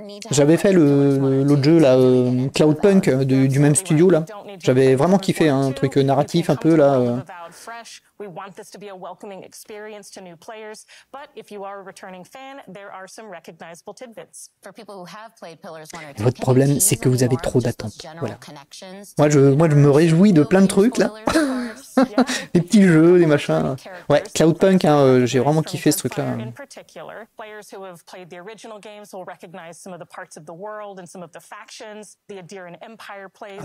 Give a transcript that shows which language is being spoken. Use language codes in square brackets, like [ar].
[fr] J'avais fait l'autre jeu là, Cloudpunk du même studio là. J'avais vraiment kiffé hein, un truc narratif un peu là. [en] We want this to be a welcoming experience to new players, but if you are a returning fan, there are some recognizable tidbits. For people who have played Pillars 1 or 2, [fr] votre problème c'est que vous avez trop d'attentes. Voilà. Moi je me réjouis de plein de trucs là. Des petits jeux, des machins. Ouais, Cloudpunk hein, j'ai vraiment kiffé ce truc là. [en] Players who have played the original games will recognize some of the parts of the world and some of the factions, the Adiran Empire plays.